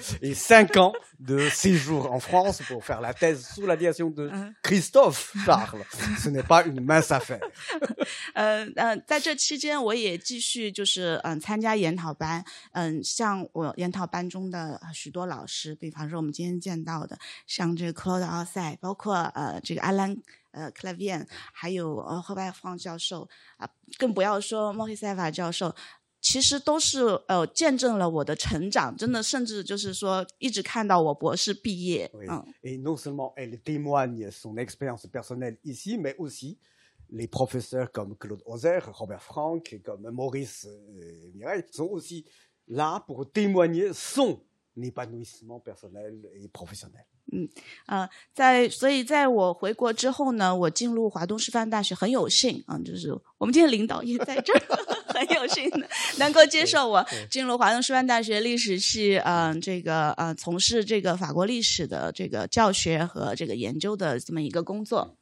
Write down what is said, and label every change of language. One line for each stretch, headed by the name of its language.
French: Et cinq ans de séjour en France pour faire la thèse sous la direction de Christophe Charles, ce n'est pas une mince affaire.
Chinese: 在这期间我也继续就是参加研讨班，像我研讨班中的许多老师，比方说我们今天见到的像这个 Claude Alsay, 包括这个 Alan Clavien, 还有赫拜方教授更不要说莫黑塞法教授，其实都是见证了我的成长，真的甚至就是说一直看到我博士毕业。
French: Et non seulement elle témoigne son expérience personnelle ici, mais aussi les professeurs comme Claude Auzère, Robert Franck et comme Maurice Mireille sont aussi là pour témoigner son épanouissement personnel et professionnel.
Chinese: 在所以在我回国之后呢，我进入华东师范大学很有幸啊，就是我们今天领导也在这儿，很有幸能够接受我进入华东师范大学历史系，从事这个法国历史的这个教学和这个研究的这么一个工作。